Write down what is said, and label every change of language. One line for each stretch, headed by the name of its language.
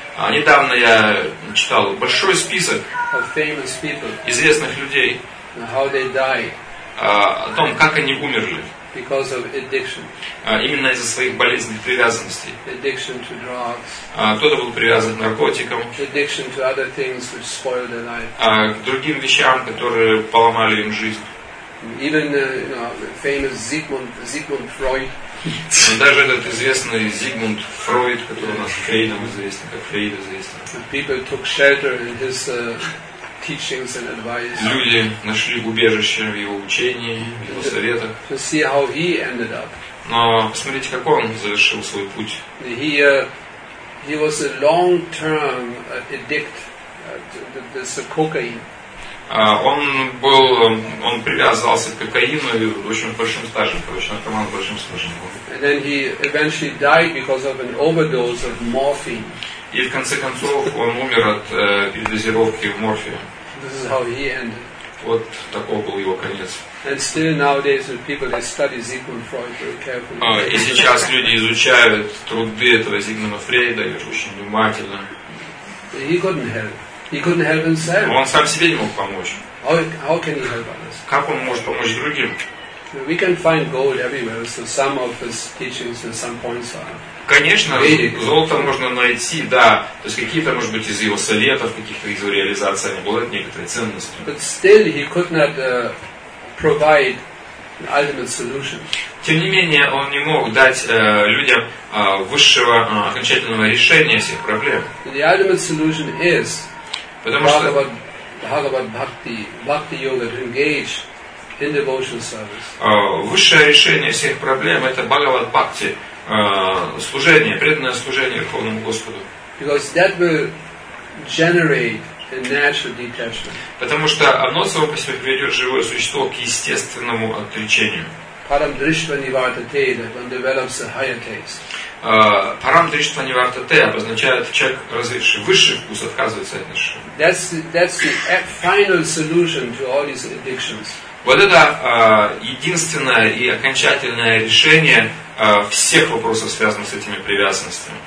Russian: Недавно я читал большой список
English: of famous people,
Russian: известных людей.
English: How they died.
Russian: О том, как они умерли.
English: Because of addiction.
Russian: Именно из-за своих болезненных привязанностей.
English: Addiction to drugs.
Russian: Кто-то был привязан к наркотикам.
English: Addiction to other things which spoiled their life.
Russian: К другим вещам, которые поломали им жизнь.
English: Even you know, famous Sigmund Freud.
Russian: Даже этот известный Зигмунд Фрейд, который у нас Фрейдом известен, как Фрейд известен.
English: People took shelter in his teachings and advice.
Russian: Люди нашли убежище в его учении, в его советах.
English: To see how he ended up.
Russian: Но посмотрите, как он завершил свой путь.
English: He was a long-term addict to this cocaine.
Russian: Он привязывался к кокаину и очень большим стажем, короче, наркоман большим стажем был.
English: And then he eventually died because of an overdose of morphine.
Russian: И в конце концов он умер от передозировки морфия.
English: This is how he ended.
Russian: Вот такой был его конец.
English: And still nowadays when people they study Sigmund Freud very carefully.
Russian: И сейчас люди изучают труды этого Зигмунда Фрейда очень внимательно.
English: He couldn't help. He couldn't help himself.
Russian: Он сам себе не мог помочь.
English: How can he help others?
Russian: Как он может помочь другим?
English: We can find gold everywhere, so some of his teachings and some points are.
Russian: Конечно, золото можно найти, да. То есть какие-то, может быть, из его советов, каких-то из его реализаций обладают некоторой ценностью.
English: But still, he could not provide an ultimate solution.
Russian: Тем не менее, он не мог дать людям высшего окончательного решения всех проблем.
English: The ultimate solution is.
Russian: Потому что
English: Bhagavad Bhakti, Bhakti Yoga, to engage in devotional service.
Russian: Высшее решение всех проблем – это Bhagavad Bhakti, служение, преданное служение Верховному Господу.
English: Because that will generate a natural detachment.
Russian: Потому что оно само по себе приведет живое существо к естественному отречению.
Sanskrit: Param drishva nivartate,
English: that one develops a higher taste.
Sanskrit: Param drishva nivartate
Russian: обозначает человек, развивший высший вкус, отказывается от нашего.
English: That's the final solution to all these addictions.
Russian: Вот это единственное и окончательное решение всех вопросов, связанных с этими привязанностями.